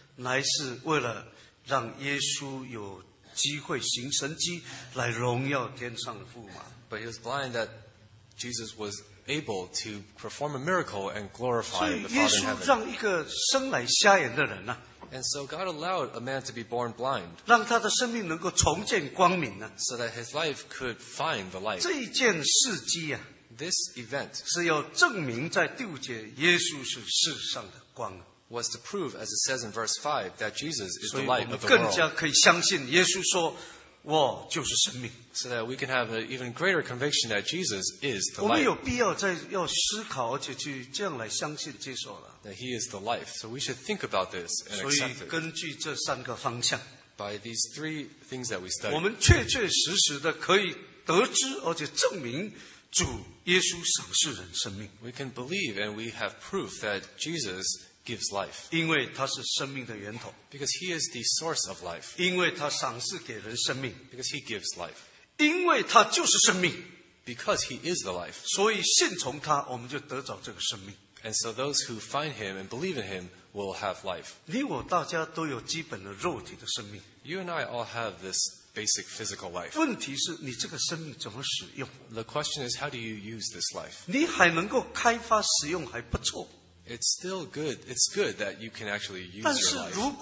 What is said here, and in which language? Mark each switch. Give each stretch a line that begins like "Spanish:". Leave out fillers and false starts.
Chinese: 乃是为了让耶稣有机会行神迹来荣耀天上的父母。
English: But he was blind that Jesus was able to perform a miracle and glorify the Father in heaven.
Chinese: 所以耶稣让一个生来瞎眼的人啊,
English: And so God allowed a man to be born blind,
Chinese: 让他的生命能够重见光明啊,
English: so that his life could find the light.
Chinese: 这一件事迹啊,
English: this event
Chinese: 是要证明在第五节耶稣是世上的光,
English: was to prove, as it says in verse 5, that Jesus is the light of the world.
Chinese: 更加可以相信耶稣说, 我就是生命,
English: so that we can have an even greater conviction that Jesus is the life.
Chinese: 我们有必要再要思考, 而且就这样来相信接受了,
English: that he is the life. So we should think about this and accept it.
Chinese: 所以根据这三个方向,
English: by these three things that we study,
Chinese: 我们确确实实的可以得知, 而且证明主耶稣赏赐人生命。
English: We can believe and we have proof that Jesus gives life.
Chinese: 因为他是生命的源头,
English: because he is the source of life.
Chinese: 因为他赏赐给人生命,
English: because he gives life.
Chinese: 因为他就是生命,
English: because he is the life.
Chinese: 所以信从他, 我们就得着这个生命。
English: And so those who find him and believe in him will have life.
Chinese: 你我大家都有基本的肉体的生命。
English: You and I all have this basic physical life.
Chinese: 问题是你这个生命怎么使用?
English: The question is, how do you use this life?
Chinese: 你还能够开发使用还不错。
English: It's still good. It's good that you can actually use your life.